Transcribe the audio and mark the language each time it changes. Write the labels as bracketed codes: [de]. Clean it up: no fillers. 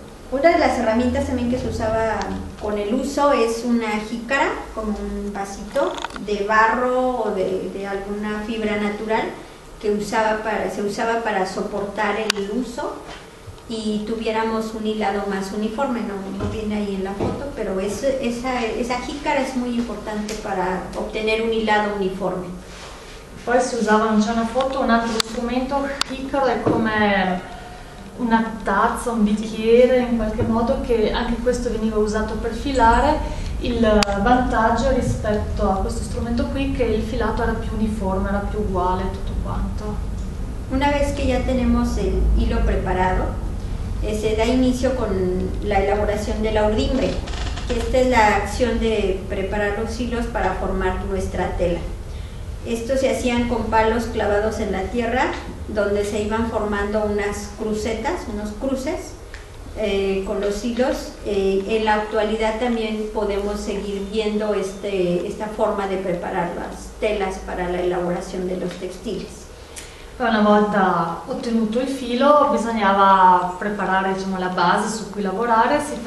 [es] Una de las herramientas también que se usaba con el uso es una jícara, como un vasito de barro o de alguna fibra natural que se usaba para soportar el uso y tuviéramos un hilado más uniforme, no viene ahí en la foto, pero esa jícara es muy importante para obtener un hilado uniforme. [it] Poi si usava, non c'è una foto, un altro strumento, jícara è come una tazza, un bicchiere in qualche modo, che anche questo veniva usato per filare. Il vantaggio rispetto a questo strumento qui che il filato era più uniforme, era più uguale tutto quanto. [es] Una vez que ya tenemos el hilo preparado, se da inicio con la elaboración de la urdimbre, que esta es la acción de preparar los hilos para formar nuestra tela. Estos se hacían con palos clavados en la tierra, donde se iban formando unas crucetas, unos cruces con los hilos. En la actualidad también podemos seguir viendo esta forma de preparar las telas para la elaboración de los textiles. [it] Una volta ottenuto il filo, bisognava preparare, diciamo, la base su cui lavorare.